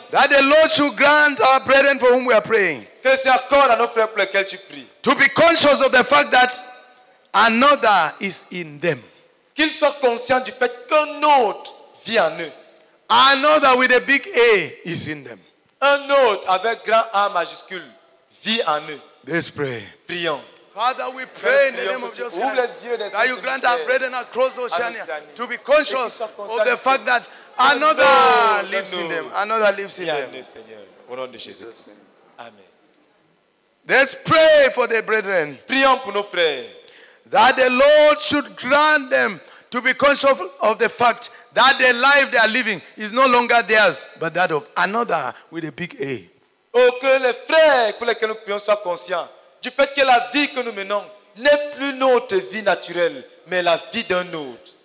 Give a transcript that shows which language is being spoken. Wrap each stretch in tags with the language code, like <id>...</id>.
<en>That the Lord should grant our brethren for whom we are praying.</en> <fr>Que le Seigneur accorde à nos frères pour lesquels tu pries.</fr> <en>To be conscious of the fact that another is in them.</en> <fr>Qu'ils soient conscients du fait qu'un autre vit en eux.</fr> <en>Another with a big A is in them.</en> <fr>Un autre avec grand A majuscule vit en eux.</fr> <en>Let's pray.</en> <fr>Prions.</fr> <en>Father, we pray in the name of Jesus Christ that you grant our brethren across Oceania to be conscious of the fact that another lives in them. Another lives in them. Jesus. Amen. Let's pray for the brethren.</en> <fr>Prions pour nos frères.</fr> <en>That the Lord should grant them to be conscious of the fact that the life they are living is no longer theirs, but that of another with a big A.</en> <fr>Oh, que les frères pour lesquels nous prions soient conscients du fait que la vie que nous menons n'est plus notre vie naturelle, mais la vie d'un autre.</fr>